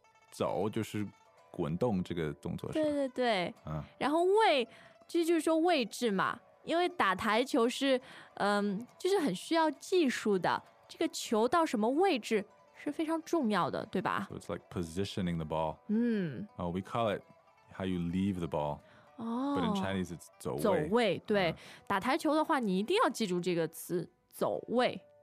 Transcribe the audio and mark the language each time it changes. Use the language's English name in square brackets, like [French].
[Chinese] 走就是滚动这个动作是吧？对对对。然后位，这就是说位置嘛，因为打台球是就是很需要技术的，这个球到什么位置是非常重要的，对吧？ [English] So it's like positioning the ball. 嗯。 We call it how you leave the ball. But in Chinese it's 走位。 [Chinese] 走位，对。打台球的话你一定要记住这个词，走位。